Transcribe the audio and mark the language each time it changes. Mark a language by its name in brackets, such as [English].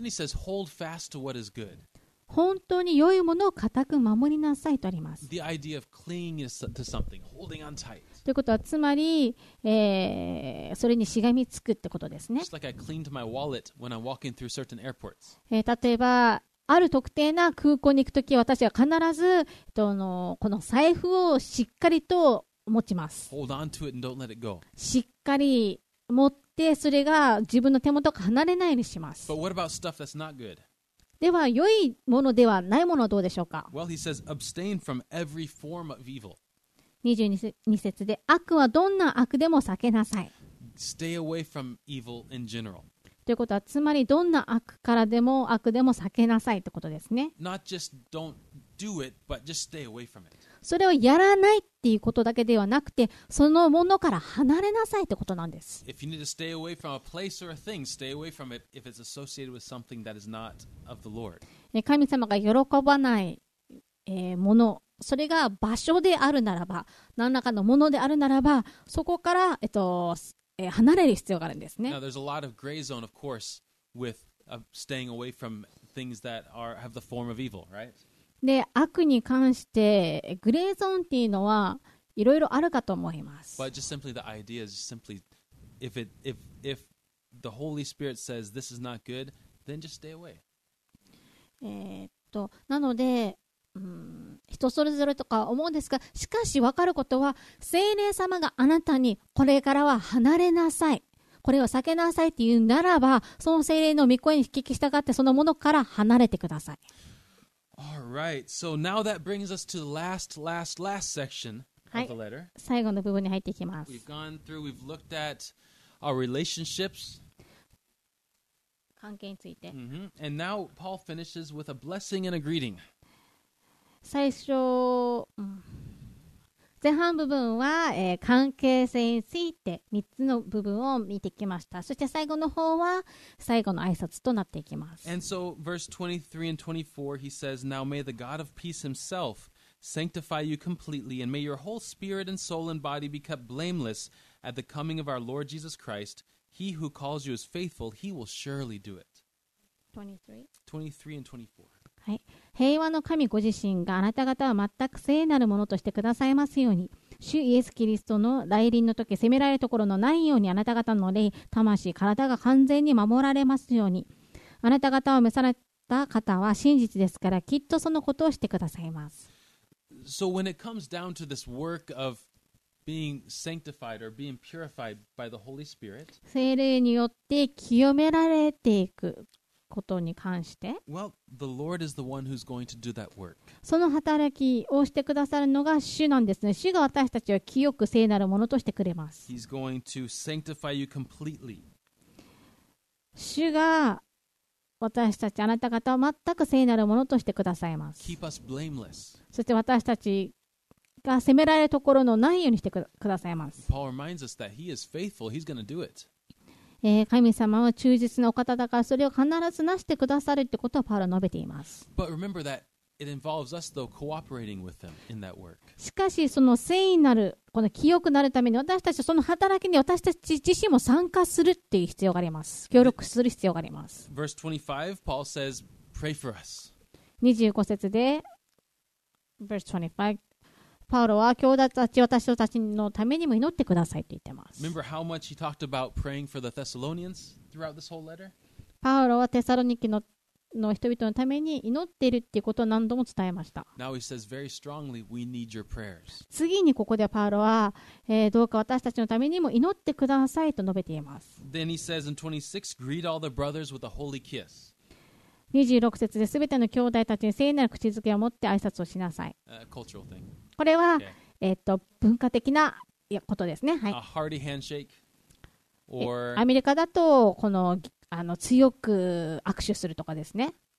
[English] Then he says, hold fast to what is good. [Japanese] 本当に良いものを固く守りなさいとあります。 [English] The idea of clinging to something, holding on tight. [Japanese] ということはつまり、それにしがみつくってことですね。 [English] Just like I cling to my wallet when I'm walking through certain airports. [Japanese] 例えばある特定な空港に行くとき、私は必ずこの財布をしっかりと持ちます。 [English] Hold on to it and don't let it go. [Japanese] しっかり持ってそれが自分の手元から離れないようにします。 [English] But what about stuff that's not good? [Japanese] では良いものではないものはどうでしょうか。 [English] Well, he says, abstain from every form of evil. [Japanese] 22節で、悪はどんな悪でも避けなさい。 [English] Stay away from evil in general. [Japanese] ということはつまりどんな悪からでも悪でも避けなさいってことですね。 [English] Not just don't do it, but just stay away from it. [Japanese] それをやらないっていうことだけではなくて、そのものから離れなさいってことなんです。 [English] If you need to stay away from a place or a thing, stay away from it if it's associated with something that is not of the Lord. [Japanese] 神様が喜ばない、もの、それが場所であるならば、何らかのものであるならば、そこから、離れる必要があるんですね。 [English] Now, there's a lot of gray zone, of course, with staying away from things that are, have the form of evil, right? [Japanese] で悪に関してグレーゾーンっていうのはいろいろあるかと思います。 [English] But just simply the idea is simply if the Holy Spirit says this is not good, then just stay away. [Japanese] なので、人それぞれとか思うんですが、しかし分かることは、聖霊様があなたにこれからは離れなさい、これを避けなさいっていうならば、その聖霊の御声に引き従ってそのものから離れてください。 [English] All right. So now that brings us to the last section of the letter. [Japanese] 最後の部分に入っていきます。 [English] We've gone through, we've looked at our relationships. [Japanese] 関係について。 Mm-hmm. [English] And now Paul finishes with a blessing and a greeting. [Japanese] 最初、前半部分は、関係性について3つの部分を見てきました。そして最後の方は最後の挨拶となっていきます。 [English] And so, verse 23 and 24, he says, Now may the God of peace himself sanctify you completely, and may your whole spirit and soul and body be kept blameless at the coming of our Lord Jesus Christ. He who calls you is faithful, he will surely do it. 23 and 24. [Japanese] はい、平和の神ご自身があなた方は全く聖なるものとしてくださいますように、主イエスキリストの来臨の時責められるところのないように、あなた方の霊、魂、体が完全に守られますように。あなた方を召された方は真実ですから、きっとそのことをしてくださいます。 [English] So when it comes down to this work of being sanctified or being purified by the Holy Spirit, [Japanese] 聖霊によって清められていくことに関して、 [English] well, the Lord is the one who's going to do that work. [Japanese] その働きをしてくださるのが主なんですね。主が私たちを清く聖なるものとしてくれます。 [English] He's going to sanctify you completely. [Japanese] 主が私たち、あなた方を全く聖なるものとしてくださいます。 [English] Keep us blameless. [Japanese] そして私たちが責められるところのないようにしてくださいます。 [English] Paul reminds us that he is faithful, he's going to do it. [Japanese] 神様は忠実なお方だから、それを必ずなしてくださるってことをパウロは述べています。 [English] But remember that it involves us though cooperating with them in that work. [Japanese] しかし、その聖なる、この清くなるために、私たちその働きに私たち自身も参加するっていう必要があります。協力する必要があります。 [English] Verse 25, Paul says, pray for us. [Japanese] 25節で、 [English] Verse 25、 [Japanese] パウロは兄弟たち、私たちのためにも祈ってくださいと言ってます。 [English] Remember how much he talked about praying for the Thessalonians throughout this whole letter? [Japanese] パウロはテサロニキのの人々のために祈っているということを何度も伝えました。 [English] Now he says very strongly, we need your prayers. [Japanese] 次にここでパウロは、どうか私たちのためにも祈ってくださいと述べています。 [English] Then he says in 26, greet all the brothers with a holy kiss. [Japanese] 26節で全ての兄弟たちに聖なる口づけを持って挨拶をしなさい。これは、文化的なことですね、はい、 [English] A hearty handshake or... [Japanese] アメリカだとこの、あの強く握手するとかですね。